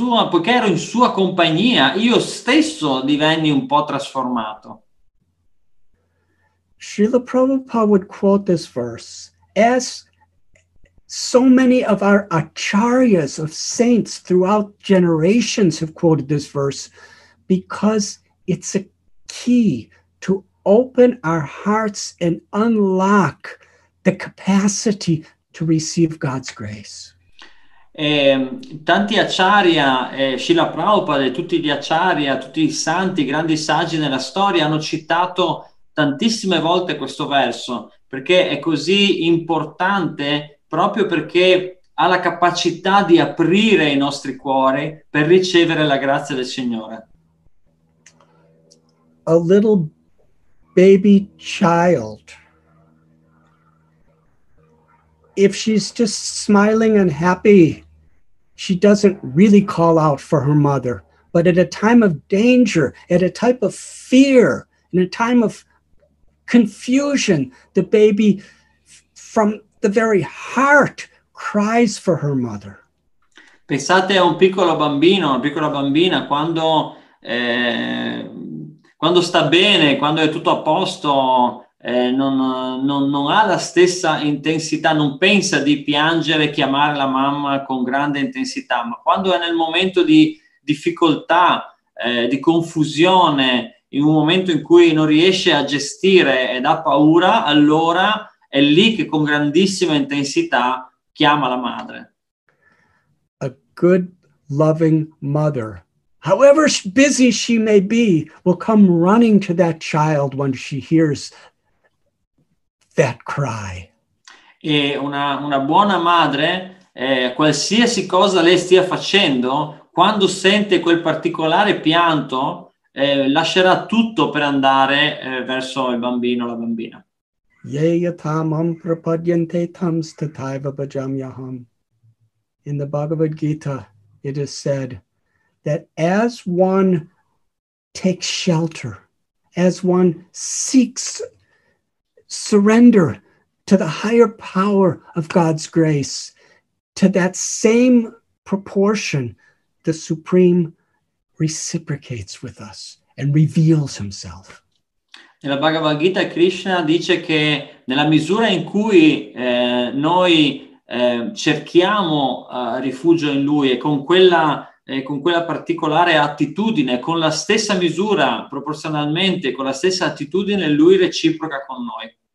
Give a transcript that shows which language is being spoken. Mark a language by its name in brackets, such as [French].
[Italian] Poiché ero in sua compagnia, io stesso divenni un po' trasformato. [English] Srila Prabhupada would quote this verse as so many of our acharyas, of saints throughout generations, have quoted this verse because it's a key to open our hearts and unlock the capacity to receive God's grace. [Italian] Tanti acharya, Srila Prabhupada e tutti gli acharya, tutti i santi, grandi saggi nella storia hanno citato tantissime volte questo verso, perché è così importante proprio perché ha la capacità di aprire i nostri cuori per ricevere la grazia del Signore. [English] A little baby child, if she's just smiling and happy, she doesn't really call out for her mother. But at a time of danger, at a type of fear, in a time of confusion, the baby from the very heart cries for her mother. [Italian] Pensate a un piccolo bambino, una piccola bambina, quando quando sta bene, quando è tutto a posto, non ha la stessa intensità, non pensa di piangere, chiamare la mamma con grande intensità, ma quando è nel momento di difficoltà, di confusione, in un momento in cui non riesce a gestire ed ha paura, allora è lì che con grandissima intensità chiama la madre. [English] A good loving mother, however busy she may be, will come running to that child when she hears that cry. [Italian] E una buona madre, qualsiasi cosa lei stia facendo, quando sente quel particolare pianto, lascerà tutto per andare verso il bambino o la bambina. [Sanskrit] Yeyatamam prapadyante tamstataiva bhajamyaham. [English] In the Bhagavad Gita, it is said that as one takes shelter, as one seeks surrender to the higher power of God's grace, to that same proportion, the Supreme reciprocates with us and reveals himself. [Italian] Nella Bhagavad Gita, Krishna dice che nella misura in cui noi cerchiamo rifugio in lui e con quella particolare attitudine, con la stessa misura, proporzionalmente, con la stessa attitudine, lui reciproca con noi.